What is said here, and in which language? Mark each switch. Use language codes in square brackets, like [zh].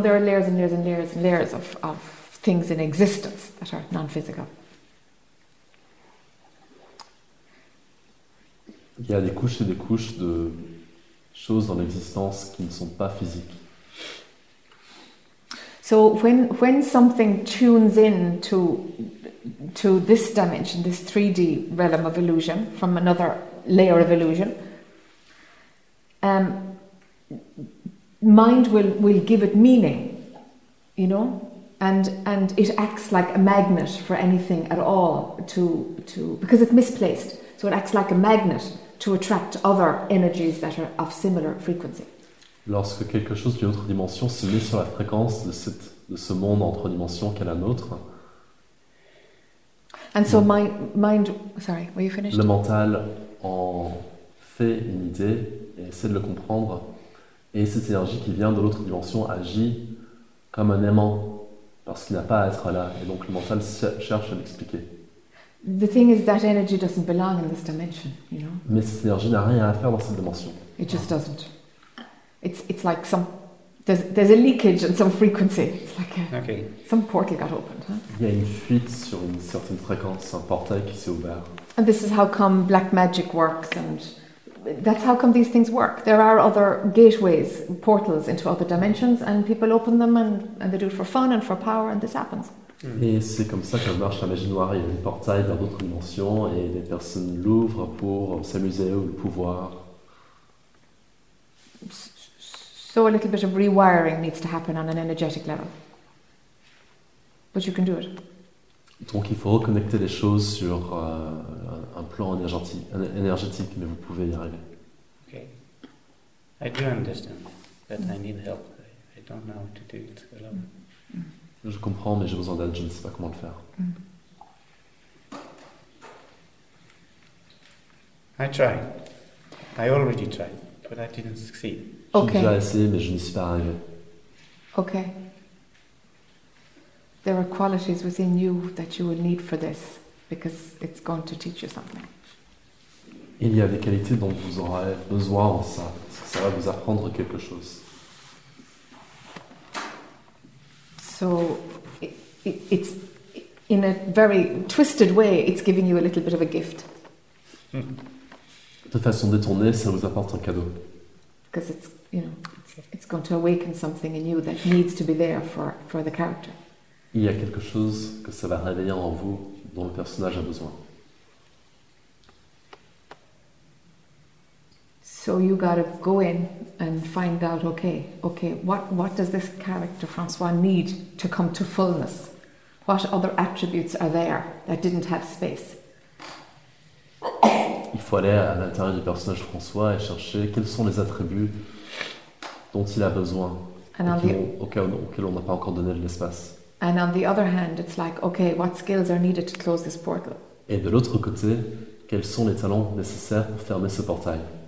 [en] There are layers and layers and layers and layers of things in existence that are non-physical. [fr] Il y a des couches et des couches de choses dans l'existence qui ne sont pas physiques. [en] So when something tunes in to this dimension, this 3D realm of illusion from another layer of illusion, mind will give it meaning, you know, and it acts like a magnet for anything at all to because it's misplaced, so it acts like a magnet to attract other energies that are of similar frequency. [fr] Lorsque quelque chose d'une autre dimension se met sur la fréquence de ce monde en trois dimensions qu'est la nôtre. [en] And so my mind, sorry, were you finished? [fr] Le mental en fait une idée et essaie de le comprendre. Et cette énergie qui vient de l'autre dimension agit comme un aimant parce qu'il n'a pas à être là. Et donc le mental cherche à l'expliquer. [en] The thing is that energy doesn't belong in this dimension, you know. [fr] Mais cette énergie n'a rien à faire dans cette dimension. [en] It just doesn't. It's like some there's a leakage on some frequency. It's like some portal got opened. [fr] Il y a une fuite sur une certaine fréquence, un portail qui s'est ouvert. [en] And this is how come black magic works, and that's how come these things work. There are other gateways, portals into other dimensions, and people open them and they do it for fun and for power, and this happens. [fr] Et c'est comme ça que marche la magie noire. Il y a un portail vers d'autres dimensions et des personnes l'ouvrent pour s'amuser ou le pouvoir. [en] So a little bit of rewiring needs to happen on an energetic level. But you can do it. [fr] Donc il faut reconnecter les choses sur un plan énergétique, mais vous pouvez y arriver. [en] Okay. I do understand that I need help. I don't know how to do it alone. Mm. [fr] Je comprends, mais j'ai besoin d'aide, je ne sais pas comment le faire. [en] I tried. I already tried, but I didn't succeed. Okay. [fr] J'ai déjà essayé, mais je n'y suis pas arrivé. [en] Okay. There are qualities within you that you will need for this, because it's going to teach you something. [fr] Il y a des qualités dont vous aurez besoin en ça, parce que ça va vous apprendre quelque chose. [en] So, it's in a very twisted way, it's giving you a little bit of a gift. [fr] De façon détournée, ça vous apporte un cadeau. [en] Because it's, you know, it's going to awaken something in you that needs to be there for the character. [fr] Il y a quelque chose que ça va réveiller en vous dont le personnage a besoin. [en] So you gotta go in and find out, okay, what does this character François need to come to fullness? What other attributes are there that didn't have space? [fr] Il faut aller à l'intérieur du personnage François et chercher quels sont les attributs dont il a besoin auxquels on n'a pas encore donné de l'espace. [en] And on the other hand, it's like, okay, what skills are needed to close this portal? [fr] Et de l'autre côté, quels sont les talents nécessaires pour fermer ce portail?